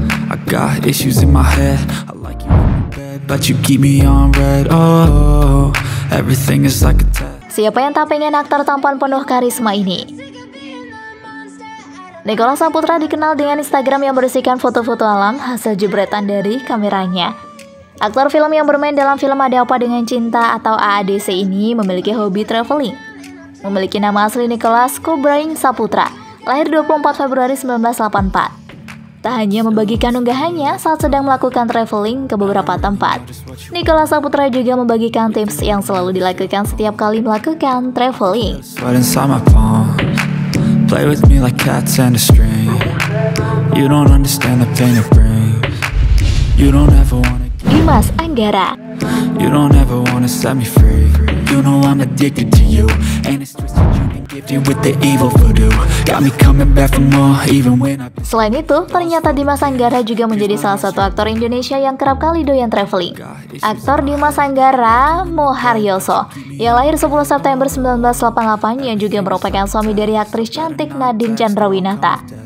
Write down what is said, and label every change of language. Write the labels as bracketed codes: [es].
[en] I got issues in my head. I like you in bed, but you keep me on red. Oh, everything is like a test. [id] Siapa yang tak pengen aktor tampan penuh karisma ini? Nicola Saputra dikenal dengan Instagram yang berisikan foto-foto alam hasil jebretan dari kameranya. Aktor film yang bermain dalam film Ada Apa Dengan Cinta atau AADC ini memiliki hobi traveling. Memiliki nama asli Nicholas Kubrain Saputra, lahir 24 Februari 1984. Tak hanya membagikan unggahannya saat sedang melakukan traveling ke beberapa tempat, Nicola Saputra juga membagikan tips yang selalu dilakukan setiap kali melakukan traveling. [en] But inside my palms, play with me like cats and a string. You don't understand the pain it brings. You don't ever want to. Dimas Anggara. You don't ever wanna set me free. You know I'm addicted to you. And it's twisted, you've been gifted with the evil voodoo. Got me coming back for more even when I. [id] Selain itu, ternyata Dimas Anggara juga menjadi salah satu aktor Indonesia yang kerap kali doyan traveling. Aktor Dimas Anggara Moharyoso, yang lahir 10 September 1988, yang juga merupakan suami dari aktris cantik Nadine Chandrawinata.